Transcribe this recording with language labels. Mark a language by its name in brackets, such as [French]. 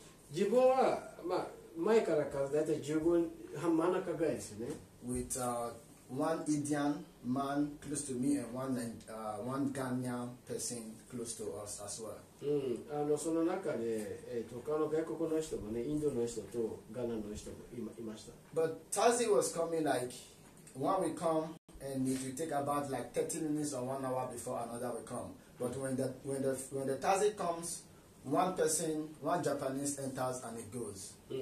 [Japanese] 自分は、まあ、前からか、だいたい15、真ん中ぐらいですね。 [English] With one Indian man close to me and one Ghanaian person close to us as well. [Japanese] その中で、他の外国の人もね、インドの人とガナの人もいました。 [English] But taxi was coming like one will come and it will take about like 30 minutes or 1 hour before another will come. But when the taxi comes, one person, one Japanese enters and it goes.